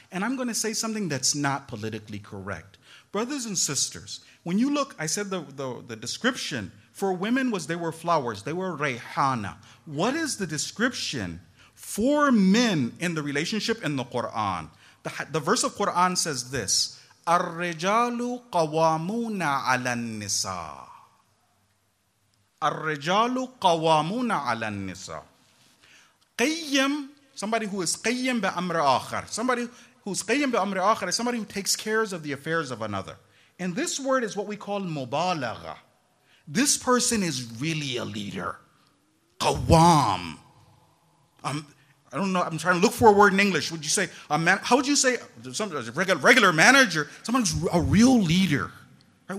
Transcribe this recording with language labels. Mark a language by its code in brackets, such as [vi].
[en] And I'm going to say something that's not politically correct. Brothers and sisters, when you look, I said the description for women was they were flowers, they were rayhana. What is the description for men in the relationship in the Quran? The verse of Quran says this, [ar] الرِّجَالُ قَوَامُونَ عَلَى النِّسَاءِ. الرِّجَالُ قَوَامُونَ عَلَى النِّسَاءِ. قَيِّم, [en] somebody who is [ar] قَيِّم بِأَمْرِ آخر. [en] Somebody who is [ar] قَيِّم بِأَمْرِ آخر [en] is somebody who takes care of the affairs of another. And this word is what we call مُبَالَغَة. This person is really a leader. [ar] قَوَام. [en] I don't know, I'm trying to look for a word in English. Would you say, how would you say, a regular manager, someone's a real leader. Right?